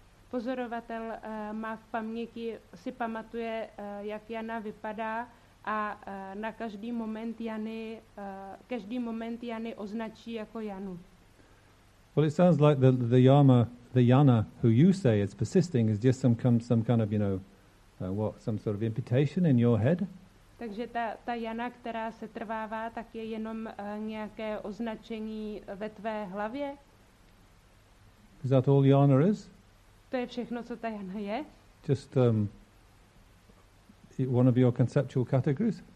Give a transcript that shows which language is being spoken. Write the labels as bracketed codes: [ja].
[cs] Pozorovatel má v paměti, si pamatuje, jak jana vypadá, a na každý moment Jany označí jako Janu. [en] Well, it sounds like the Yana who you say is persisting is just some kind of, you know, some sort of imputation in your head. [cs] Takže ta Jana, která se trvává, tak je jenom nějaké označení ve tvé hlavě. [en] Is that all Yana is? [cs] To je všechno, co ta Jana je. [en] Just one of your conceptual categories?